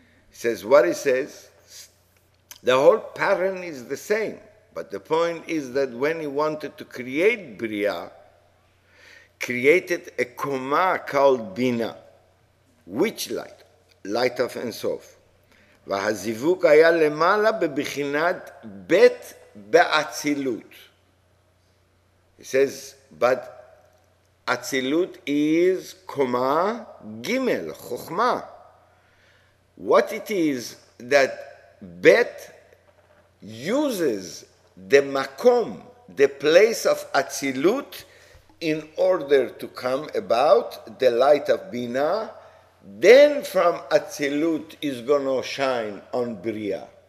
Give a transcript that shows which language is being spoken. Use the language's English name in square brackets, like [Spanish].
[English] He says what he says. The whole pattern is the same, but the point is that when he wanted to create bria, created a koma called Bina, which light? Light of Ein Sof. [Hebrew] והזיווק היה למעלה בבחינת בית באצילות. [English] He says, but אצילות is קומה גימל, חוכמה. What it is that בית uses the מקום, the place of אצילות, in order to come about the light of Bina, then from Atzilut is going to shine on Bria.